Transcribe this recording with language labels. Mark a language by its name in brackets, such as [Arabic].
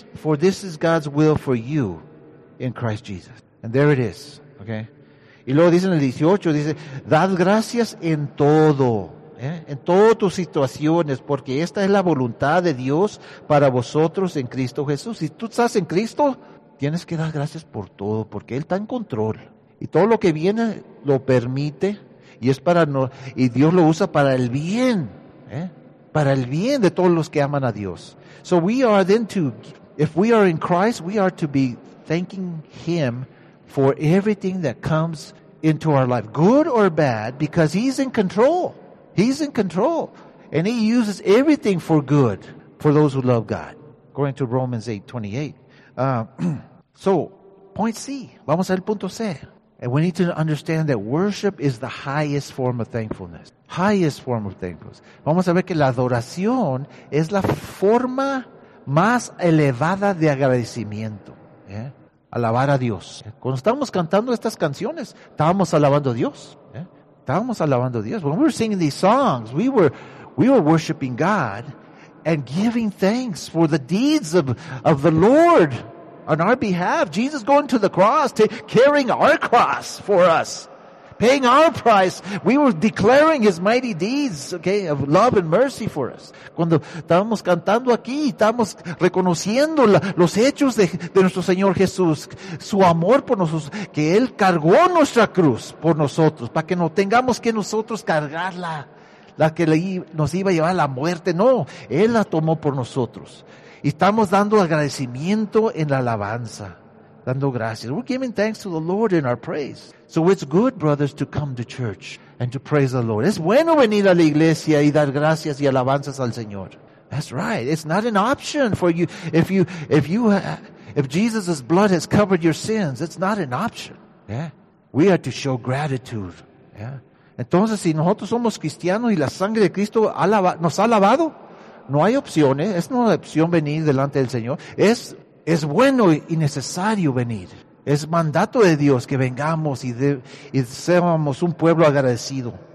[English] For this is God's will for you in Christ Jesus. And there it is. Okay. [Spanish] Y luego dice en el 18, dice, dad gracias en todo, ¿eh? En todas tus situaciones, porque esta es la voluntad de Dios para vosotros en Cristo Jesús. Si tú estás en Cristo, tienes que dar gracias por todo, porque Él está en control. Y todo lo que viene lo permite, y es para no, y Dios lo usa para el bien, ¿eh? Para el bien de todos los que aman a Dios. [English] So we are then to, if we are in Christ, we are to be thanking Him for everything that comes into our life, good or bad, because He's in control. He's in control. And He uses everything for good for those who love God. According to Romans 8:28. So, point C. [Spanish] Vamos al punto C. [English] And we need to understand that worship is the highest form of thankfulness. Highest form of thankfulness. [Spanish] Vamos a ver que la adoración es la forma más elevada de agradecimiento, ¿eh? Alabar a Dios. Cuando estábamos cantando estas canciones, estábamos alabando a Dios, ¿eh? Estábamos alabando a Dios. [English] When we were singing these songs, we were worshiping God and giving thanks for the deeds of the Lord on our behalf. Jesus going to the cross, carrying our cross for us, paying our price. We were declaring His mighty deeds, okay, of love and mercy for us. [Spanish] Cuando estábamos cantando aquí, estábamos reconociendo los hechos de nuestro Señor Jesús, su amor por nosotros, que Él cargó nuestra cruz por nosotros, para que no tengamos que nosotros cargarla, la que nos iba a llevar a la muerte. No, Él la tomó por nosotros. Y estamos dando agradecimiento en la alabanza, dando gracias. [English] We're giving thanks to the Lord in our praise. So it's good, brothers, to come to church and to praise the Lord. [Spanish] Es bueno venir a la iglesia y dar gracias y alabanzas al Señor. [English] That's right. It's not an option for you. If Jesus' blood has covered your sins, it's not an option. Yeah. We are to show gratitude. Yeah. [Spanish] Entonces, si nosotros somos cristianos y la sangre de Cristo nos ha lavado, no hay opciones. Es una opción venir delante del Señor. Es bueno y necesario venir. Es mandato de Dios que vengamos y seamos un pueblo agradecido.